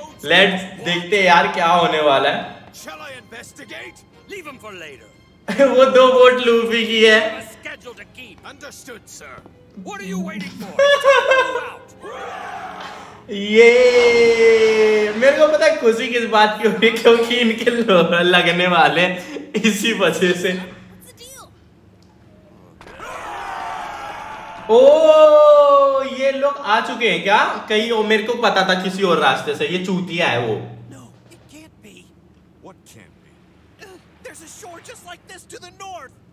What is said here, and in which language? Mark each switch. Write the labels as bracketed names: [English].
[Hindi] Let's देखते हैं यार क्या होने वाला है। वो दो बोट लूफी की है। [English] Understood, sir. What are you waiting for? [Hindi] ये मेरे को पता है खुशी किस बात की हो रही, क्योंकि इनके लगने वाले इसी वजह से। ओ ये लोग आ चुके हैं क्या कहीं, ओ मेरे को पता था किसी और रास्ते से, ये चूतिया है वो। [English] No, it can't be. What can be? There's a shore just like this to the north.